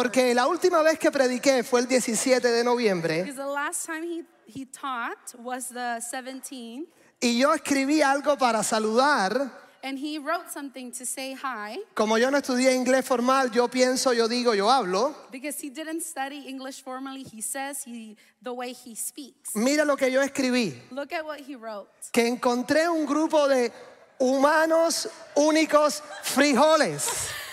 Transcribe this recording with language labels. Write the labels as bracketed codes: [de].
[es] Porque la última vez que prediqué fue el 17 de noviembre. [en] Because the last time he taught was the 17th. [es] Y yo escribí algo para saludar. [en] And he wrote something to say hi. [es] Como yo no estudié inglés formal, yo pienso, yo digo, yo hablo. [en] Because he didn't study English formally, he says he, the way he speaks. [es] Mira lo que yo escribí. [en] Look at what he wrote. [es] Que encontré un grupo de humanos únicos frijoles.